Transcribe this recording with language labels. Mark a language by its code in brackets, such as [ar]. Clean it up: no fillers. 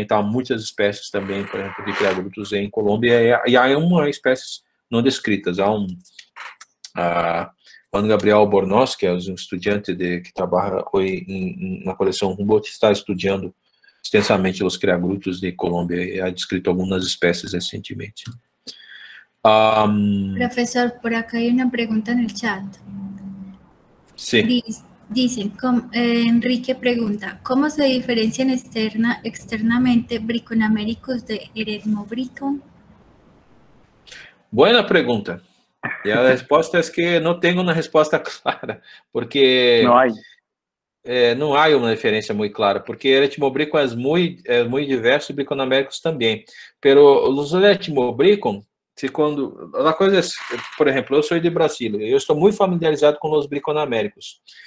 [pt] Então, há muitas espécies também, por exemplo, de Creagrutus em Colômbia, e há uma espécie não descritas, há um. Quando Gabriel Albornoz, que é um estudante que trabalha hoje na coleção Humboldt, está estudando extensamente os Creagrutus de Colômbia e há descrito algumas espécies recentemente. [es] Professor, por acá hay una pregunta en el chat. Sí. Dice, Enrique pregunta, ¿cómo se diferencian externamente Briconaméricos de Eretmobricon? Buena pregunta. [pt] E a resposta é que não tenho uma resposta clara, porque não há uma diferença muito clara, porque Eretmobricon é muito diverso e Briconaméricos também. Pero os Eretmobricon, uma coisa, por exemplo, eu sou de Brasília, eu estou muito familiarizado com os Briconaméricos.